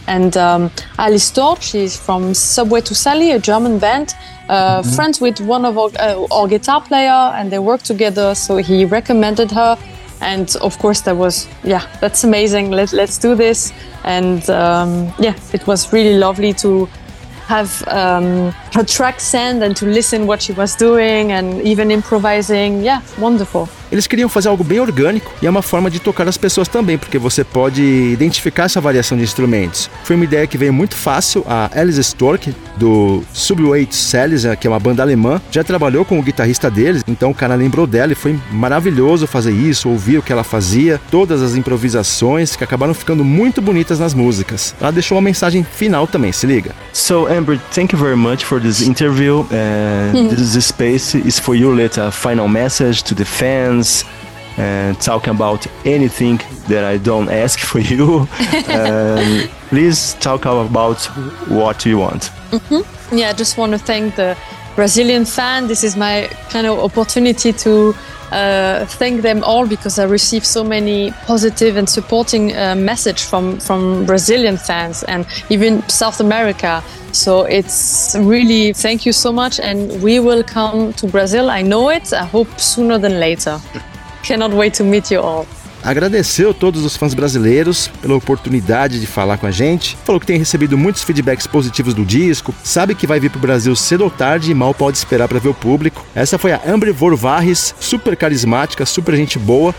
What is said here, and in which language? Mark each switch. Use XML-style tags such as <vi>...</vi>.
<en>And Ali Storch is from Subway to Sally, a German band, friends with one of our guitar player, and they work together, so he recommended her. And of course that was, yeah, that's amazing, let's do this. And it was really lovely to have her track send and to listen what she was doing and even improvising. Yeah, wonderful.</en> <pt>Eles queriam fazer algo bem orgânico e é uma forma de tocar as pessoas também, porque você pode identificar essa variação de instrumentos. Foi uma ideia que veio muito fácil. A Alice Stork, do Subway to Sally's, que é uma banda alemã, já trabalhou com o guitarrista deles, então o cara lembrou dela e foi maravilhoso fazer isso, ouvir o que ela fazia, todas as improvisações que acabaram ficando muito bonitas nas músicas. Ela deixou uma mensagem final também, se liga.</pt> <en>So, Amber, thank you very much for this interview. This space is for you, let a final message to the fans. And talking about anything that I don't ask for you, please talk about what you want. Mm-hmm. Yeah, I just want to thank the Brazilian fan. This is my kind of opportunity to thank them all, because I received so many positive and supporting message from Brazilian fans and even South America. So it's really, thank you so much, and we will come to Brazil, I know it, I hope sooner than later. Cannot wait to meet you all.</en> <pt>Agradeceu a todos os fãs brasileiros pela oportunidade de falar com a gente. Falou que tem recebido muitos feedbacks positivos do disco. Sabe que vai vir pro Brasil cedo ou tarde e mal pode esperar para ver o público. Essa foi a Amber Vorvarris, super carismática, super gente boa.</pt>